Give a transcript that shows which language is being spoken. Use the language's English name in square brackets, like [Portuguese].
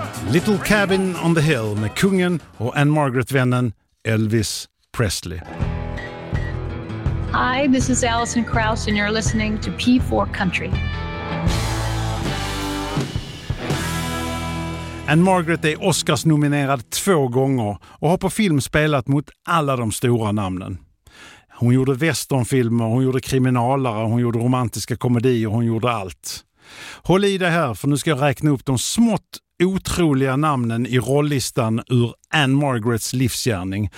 [Swedish] Little Cabin on the Hill med kungen och Ann-Margret-vännen Elvis Presley. [English] Hi, this is Allison Krauss and you're listening to P4 Country. [Swedish] Ann-Margret är Oscars nominerad 2 gånger och har på film spelat mot alla de stora namnen. Hon gjorde westernfilmer, hon gjorde kriminalare, hon gjorde romantiska komedier, hon gjorde allt. Håll i det här för nu ska jag räkna upp de smått otroliga namnen i rollistan ur Ann-Margrets livsgärning.